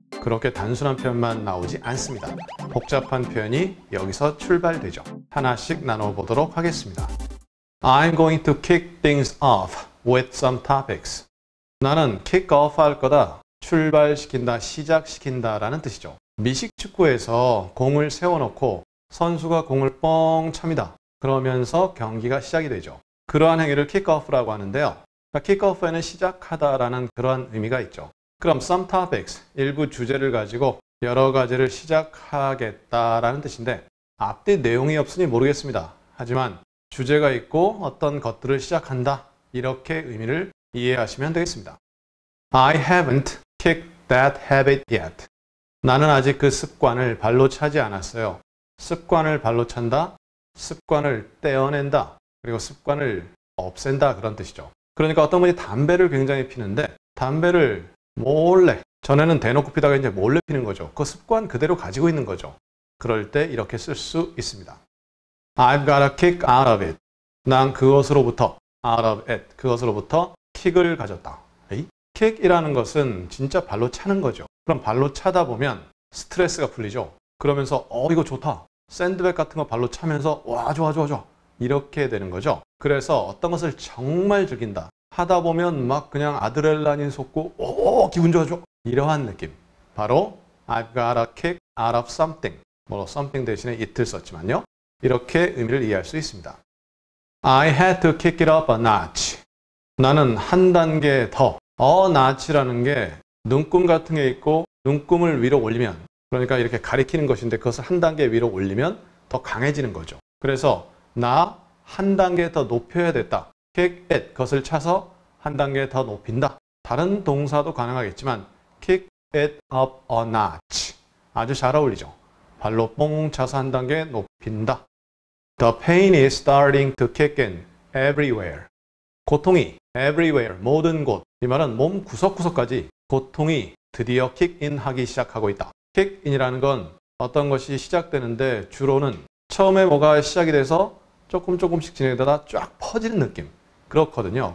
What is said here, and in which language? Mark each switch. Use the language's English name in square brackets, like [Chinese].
[Korean] 그렇게 단순한 표현만 나오지 않습니다. 복잡한 표현이 여기서 출발되죠. 하나씩 나눠보도록 하겠습니다. [English] I'm going to kick things off with some topics. [Korean] 나는 kick off 할 거다. 출발시킨다, 시작시킨다 라는 뜻이죠. 미식축구에서 공을 세워놓고 선수가 공을 뻥 찹니다. 그러면서 경기가 시작이 되죠. 그러한 행위를 kick-off라고 하는데요. 그러니까 kick-off에는 시작하다라는 그러한 의미가 있죠. 그럼 [English] some topics, [Korean] 일부 주제를 가지고 여러 가지를 시작하겠다라는 뜻인데 앞뒤 내용이 없으니 모르겠습니다. 하지만 주제가 있고 어떤 것들을 시작한다 이렇게 의미를 이해하시면 되겠습니다. [English] I haven't kicked that habit yet. [Korean] 나는 아직 그 습관을 발로 차지 않았어요. 습관을 발로 찬다, 습관을 떼어낸다. 그리고 습관을 없앤다 그런 뜻이죠. 그러니까 어떤 분이 담배를 굉장히 피는데 담배를 몰래, 전에는 대놓고 피다가 이제 몰래 피는 거죠. 그 습관 그대로 가지고 있는 거죠. 그럴 때 이렇게 쓸 수 있습니다. [English] I've got a kick out of it. [Korean] 난 그것으로부터, [English] out of it, [Korean] 그것으로부터 kick을 가졌다. kick이라는 것은 진짜 발로 차는 거죠. 그럼 발로 차다 보면 스트레스가 풀리죠. 그러면서 이거 좋다. 샌드백 같은 거 발로 차면서 와 좋아 좋아 좋아. 이렇게 되는 거죠. 그래서 어떤 것을 정말 즐긴다. 하다 보면 막 그냥 아드레날린 솟고 기분 좋아져. 이러한 느낌. [English] 바로 I've got a kick out of something. [Korean] 뭐 something 대신에 it을 썼지만요. 이렇게 의미를 이해할 수 있습니다. [English] I had to kick it up a notch. [Korean] 나는 한 단계 더. A notch라는 게 눈금 같은 게 있고 눈금을 위로 올리면 그러니까 이렇게 가리키는 것인데 그것을 한 단계 위로 올리면 더 강해지는 거죠. 그래서 나 한 단계 더 높여야 됐다. [English] Kick it. [Korean] 그것을 차서 한 단계 더 높인다. 다른 동사도 가능하겠지만 [English] Kick it up a notch. [Korean] 아주 잘 어울리죠. 발로 뽕 차서 한 단계 높인다. [English] The pain is starting to kick in everywhere. [Korean] 고통이 everywhere. 모든 곳. 이 말은 몸 구석구석까지 고통이 드디어 kick in 하기 시작하고 있다. Kick in이라는 건 어떤 것이 시작되는데 주로는 처음에 뭐가 시작이 돼서 조금 조금씩 진행되다 쫙 퍼지는 느낌. 그렇거든요.